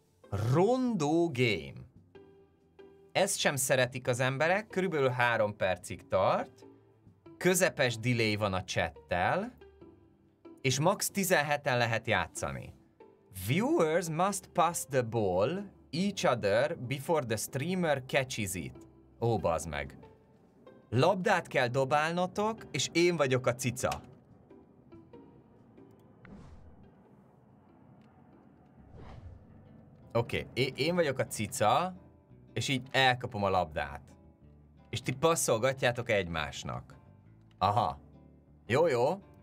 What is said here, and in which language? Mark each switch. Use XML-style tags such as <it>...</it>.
<hu>Rondó game. Ezt sem szeretik az emberek, körülbelül 3 percig tart, közepes delay van a chattel, és max 17-en lehet játszani.</hu> <en>Viewers must pass the ball each other before the streamer catches it.</en> <hu>Ó, bazd meg. Labdát kell dobálnotok, és én vagyok a cica. Oké, én vagyok a cica, és így elkapom a labdát. És ti passzolgatjátok egymásnak. Aha. Jó, jó.</hu>